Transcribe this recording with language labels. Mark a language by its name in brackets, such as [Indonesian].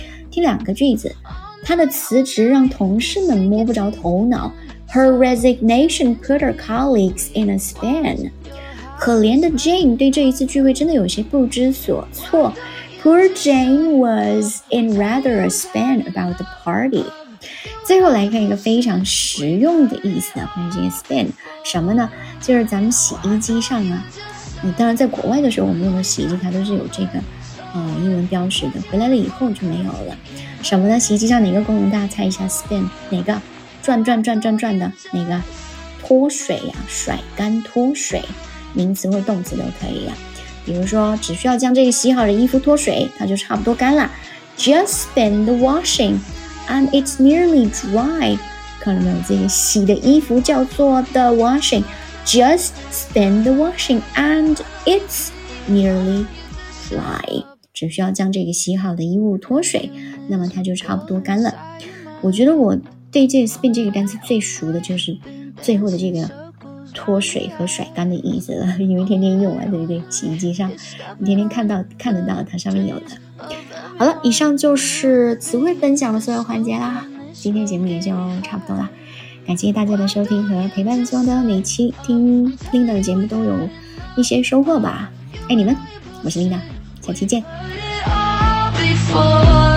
[Chinese] 听两个句子，他的辞职让同事们摸不着头脑。 [English] Her resignation put her colleagues in a spin。 [Chinese] 可怜的 Jane 对这一次聚会真的有些不知所措。 [English] Poor Jane was in rather a spin about the party。 [Chinese] 最后来看一个非常实用的意思呢，关于这个 spin 什么呢，就是咱们洗衣机上啊，当然在国外的时候我们用的洗衣机它都是有这个英文标识的，回来了以后就没有了。什么呢？洗衣机上哪个功能大家猜一下， spin 哪个，转转转转转的哪个，脱水啊，甩干脱水，名词或动词都可以啊。比如说只需要将这个洗好的衣服脱水它就差不多干了。 [English] Just spin the washingAnd it's nearly dry. [Chinese] 看到没有，这个洗的衣服叫做 the washing. [English] Just spin the washing and it's nearly dry. [Chinese] 只需要将这个洗好的衣物脱水，那么它就差不多干了。我觉得我对这个 spin 这个单词最熟的就是最后的这个脱水和甩干的意思了，因为天天用啊，对不对？洗衣机上你天天看得到它上面有的。好了，以上就是词汇分享的所有环节啦，今天节目也就差不多啦，感谢大家的收听和陪伴，希望的每期听的节目都有一些收获吧。爱你们，我是 Linda， 下期见。